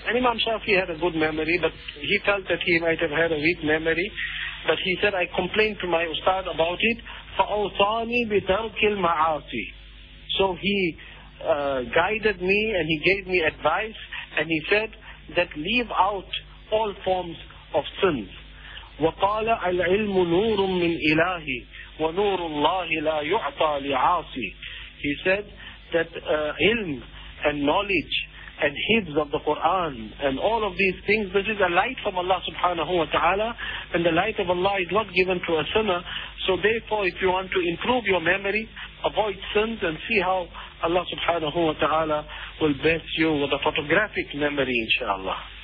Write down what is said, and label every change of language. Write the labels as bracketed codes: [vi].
[en] And Imam Shafi had a good memory, but he felt that he might have had a weak memory. But he said, I complained to my ustad about it. [ar] Fa'awthani bitarkil ma'asi. [en] So he guided me and he gave me advice and he said that leave out all forms of sins. [ar] وقال العلم نور من إلهي ونور الله لا يعطى لعاصي. [en] He said that ilm and knowledge and hifz of the Quran and all of these things, this is a light from Allah subhanahu wa ta'ala, and the light of Allah is not given to a sinner. So therefore, if you want to improve your memory, avoid sins and see how Allah subhanahu wa ta'ala will bless you with a photographic memory, inshallah.